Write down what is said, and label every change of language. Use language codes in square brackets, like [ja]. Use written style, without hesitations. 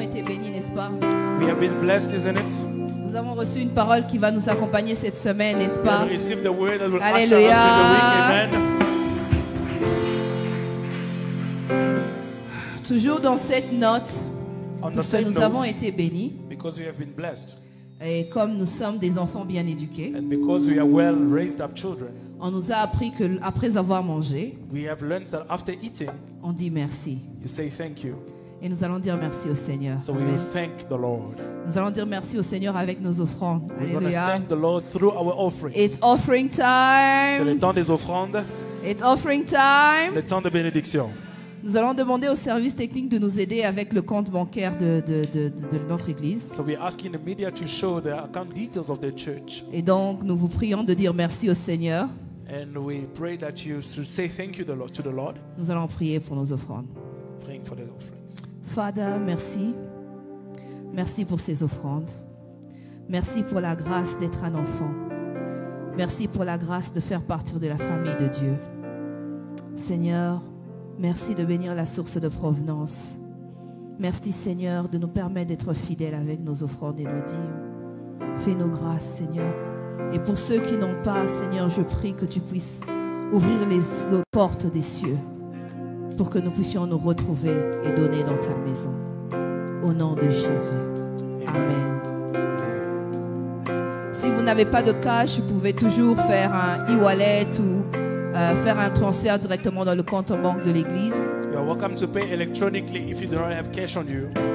[fr] Nous avons reçu une parole qui va nous accompagner cette semaine, n'est-ce pas? Alléluia. Toujours dans cette note, on puisque nous note, avons été bénis, [en] because we have been blessed. [fr] Et comme nous sommes des enfants bien éduqués, [en] and because we are well raised up children, [fr] on nous a appris que après avoir mangé, [en] we have learned that after eating, [fr] on dit merci. [en] You say thank you. [fr] Et nous allons dire merci au Seigneur. [en] So we will thank the Lord. [fr] Nous allons dire merci au Seigneur avec nos offrandes. [en] We're going to thank the Lord through our offerings. It's offering time. [fr] C'est le temps des offrandes. [en] It's offering time. [fr] Le temps de bénédiction. Nous allons demander au service technique de nous aider avec le compte bancaire de notre église. [en] So we're asking the media to show the account details of the church. [fr] Et donc nous vous prions de dire merci au Seigneur. [en] And we pray that you should say thank you to the Lord. [fr] Nous allons prier pour nos offrandes. [en] Praying for the offerings. Father, [fr] merci. Merci pour ces offrandes. Merci pour la grâce d'être un enfant. Merci pour la grâce de faire partie de la famille de Dieu. Seigneur, merci de bénir la source de provenance. Merci Seigneur de nous permettre d'être fidèles avec nos offrandes et nos dîmes. Fais-nous grâce Seigneur. Et pour ceux qui n'ont pas, Seigneur, je prie que tu puisses ouvrir les portes des cieux pour que nous puissions nous retrouver et donner dans ta maison. Au nom de Jésus. Amen. Si vous n'avez pas de cash, vous pouvez toujours faire un e-wallet ou faire un transfert directement dans le compte en banque de l'église. [en] You are welcome to pay electronically if you do not have cash on you.